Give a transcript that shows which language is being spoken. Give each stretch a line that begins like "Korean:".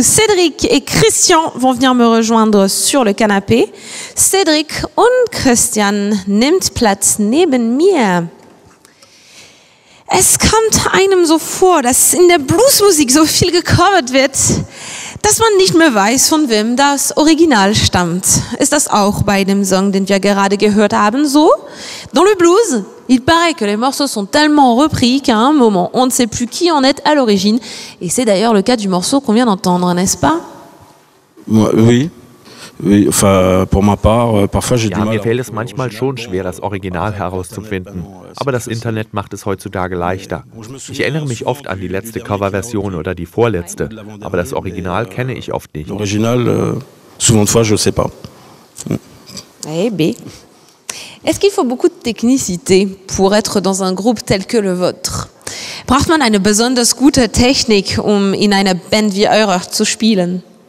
French: Cédric et Christian vont venir me rejoindre sur le canapé.
German: Cédric und Christian, nehmt Platz neben mir. Es kommt einem so vor, dass in der Bluesmusik so viel gecovert wird, dass man nicht mehr weiß, von wem das Original stammt. Ist das auch bei dem Song, den wir gerade gehört haben, so?
French: Dans le blues, il paraît que les morceaux sont tellement repris qu'à un moment, on ne sait plus qui en est à l'origine. Et c'est d'ailleurs le cas du morceau qu'on vient d'entendre, n'est-ce pas? Moi, oui. Enfin, pour ma part, parfois j'ai
German: ja, mir fällt es manchmal schon schwer, das Original herauszufinden. Aber das Internet macht es heutzutage leichter. Ich erinnere mich oft an die letzte Coverversion oder die vorletzte, aber das Original kenne ich oft nicht.
French: L'original, souvent de fois, je ne sais pas. Eh bien. Est-ce qu'il faut beaucoup de technicité pour être dans un groupe tel que le vôtre?
German: Braucht man eine besonders gute Technik, um in einer Band wie eurer zu spielen?